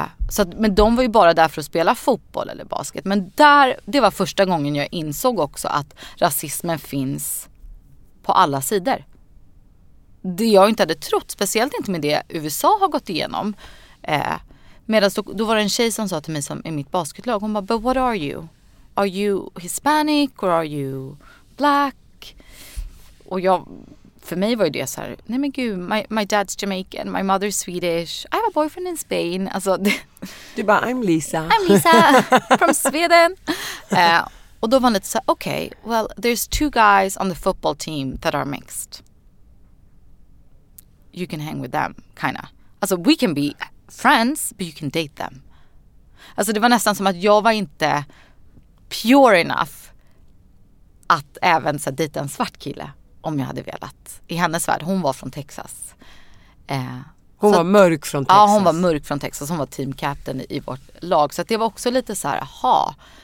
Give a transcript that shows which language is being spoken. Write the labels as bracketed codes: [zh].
[sv] Så att, men de var ju bara där för att spela fotboll eller basket. Men där, det var första gången jag insåg också att rasismen finns på alla sidor. Det jag inte hade trott, speciellt inte med det USA har gått igenom. Medan då var det en tjej som sa till mig som i mitt basketlag. Hon bara, [en] but what are you? Are you Hispanic or are you black? [sv] Och jag... För mig var ju det så här, nej men gud, [en] my dad's Jamaican, my mother's Swedish, I have a boyfriend in Spain. [sv] Alltså, du bara, [en] I'm Lisa. I'm Lisa from Sweden. [sv] Och då var det lite så här, [en] okay, well, there's two guys on the football team that are mixed. You can hang with them, kind of. [sv] Alltså, [en] we can be friends, but you can date them. [sv] Alltså, det var nästan som att jag var inte [en] pure enough [sv] att även så här, dejta en svart kille. Om jag hade velat. I hennes värld. Hon var från Texas. Hon var mörk från Texas. Ja, hon var mörk från Texas. Hon var teamkapten i vårt lag. Så att det var också lite så här, aha.